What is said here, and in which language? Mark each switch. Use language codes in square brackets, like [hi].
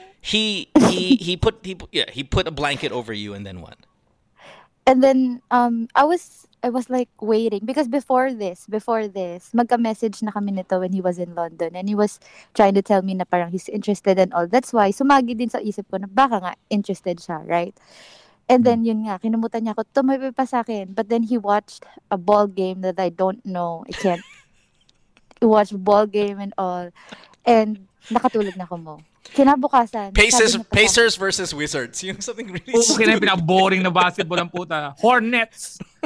[en] He put a blanket over you, and then what? And then I was like waiting because before this, [tl] magka-message na kami nito [en] when he was in London, and he was trying to tell me [tl] na parang [en] he's interested and all. That's why [tl] sumagi din sa isip ko na baka nga interested siya, right? [en] And then [tl] yun nga, kinumutan niya ako, tumabi pa sa akin. [en] But then he watched a ball game that I don't know. I can't watch ball game and all. [tl] And nakatulog na ako mo. Kinabukasan. [en] Pacers versus Wizards. Yung something really stupid. [tl] Okay na yung pinaboring na basketball ng puta. Hornets.